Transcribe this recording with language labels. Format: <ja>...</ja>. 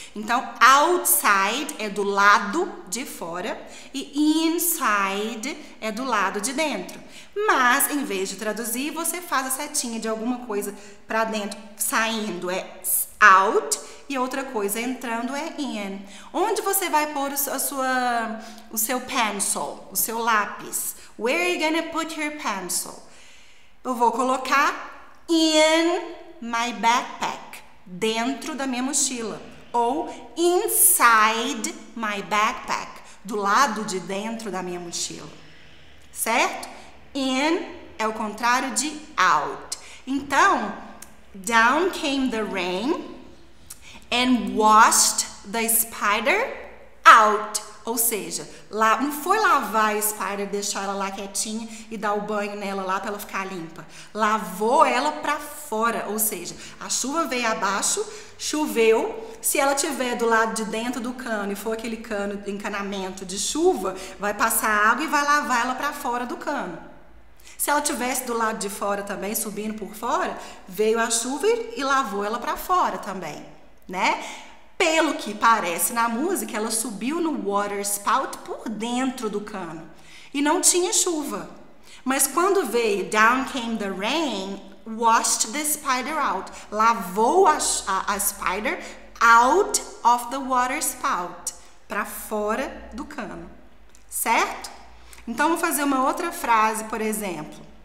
<pt>Então, outside é do lado de fora e inside é do lado de dentro. Mas, em vez de traduzir, você faz a setinha de alguma coisa para dentro, saindo é out e outra coisa entrando é in. Onde você vai pôr o seu pencil, o seu lápis?</pt> <en>Where are you gonna put your pencil?</en> <pt>Eu vou colocar</pt> <en>in my backpack.</en> <pt>Dentro da minha mochila. Ou</pt> <en>inside my backpack.</en> <pt>Do lado de dentro da minha mochila. Certo? In é o contrário de out.</pt> <en>Então, down came the rain and washed the spider out.</en> <pt>Ou seja, lá, não foi lavar a spider, deixar ela lá quietinha e dar o banho nela lá para ela ficar limpa. Lavou ela para fora, ou seja, a chuva veio abaixo, choveu. Se ela tiver do lado de dentro do cano e for aquele cano de encanamento de chuva, vai passar água e vai lavar ela para fora do cano. Se ela tivesse do lado de fora também, subindo por fora, veio a chuva e lavou ela para fora também, né? Pelo que parece na música, ela subiu no water spout por dentro do cano. E não tinha chuva. Mas quando veio,</pt> <en>down came the rain, washed the spider out.</en> <pt>Lavou a</pt> <en>spider out of the water spout.</en> <pt>Para fora do cano. Certo? Então, vou fazer uma outra frase, por exemplo.</pt>